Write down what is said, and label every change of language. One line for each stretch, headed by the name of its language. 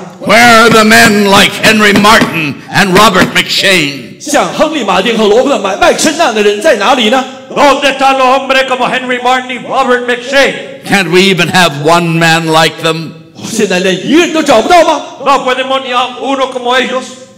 English: Where are the men like Henry Martin and Robert McShane?
Chinese: 像亨利·马丁和罗伯特·麦克申那样的人在哪里呢?
Spanish: Donde están los hombres como Henry Martin y Robert McShane?
English: Can't we even have one man like them?
Spanish: No podemos ni uno como ellos.